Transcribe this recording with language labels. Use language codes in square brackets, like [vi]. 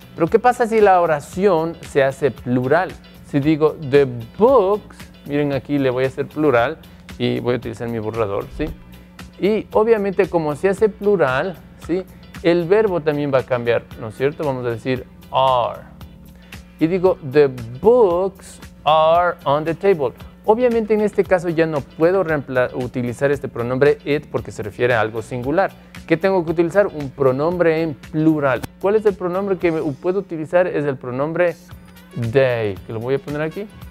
[es] ¿Pero qué pasa si la oración se hace plural? Si digo, [en] the books, [es] miren aquí, le voy a hacer plural y voy a utilizar mi borrador, ¿sí? Y obviamente, como se hace plural, ¿sí? El verbo también va a cambiar, ¿no es cierto? Vamos a decir, are. Y digo, [en] the books are on the table. [es] Obviamente, en este caso ya no puedo utilizar este pronombre it porque se refiere a algo singular. ¿Qué tengo que utilizar? Un pronombre en plural. ¿Cuál es el pronombre que puedo utilizar? Es el pronombre they, que lo voy a poner aquí.